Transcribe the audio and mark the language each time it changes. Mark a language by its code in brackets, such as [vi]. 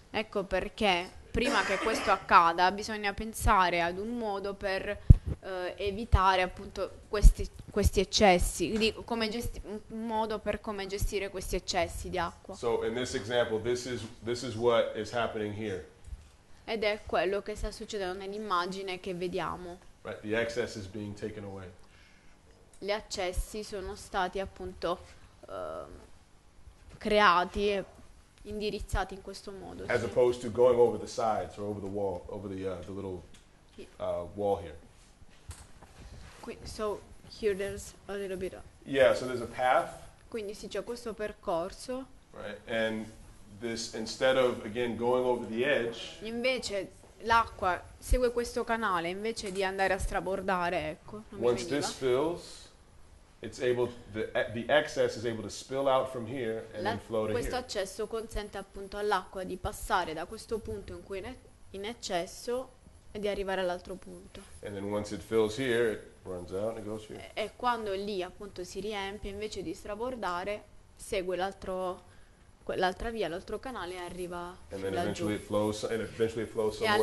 [it] Ecco perché prima che questo accada bisogna pensare ad un modo per evitare appunto questi eccessi, come gestire questi eccessi di acqua. [en] So in this example this is what is happening here. [it] Ed è quello che sta succedendo nell'immagine che vediamo. [en] Right, the excess is being taken away. [it] Gli eccessi sono stati appunto creati e indirizzati in questo modo. [en] As opposed to going over the sides or over the wall, over the little wall here. So here there's a little bit of. Yeah, so there's a path. [it] Quindi sì, c'è questo percorso. [en] Right, and this instead of again going over the edge. [it] Invece l'acqua segue questo canale invece di andare a strabordare, ecco. [en] Once this fills. It's able the excess is able to spill out from here and then flow to here. [it] Questo accesso consente appunto all'acqua di passare da questo punto in cui è in eccesso e di arrivare all'altro punto. [en] And then once it fills here, it runs out and it goes here. [it] E quando lì appunto si riempie invece di strabordare, segue l'altra via, l'altro canale e arriva laggiù. [en] And then eventually it flows and eventually it flows somewhere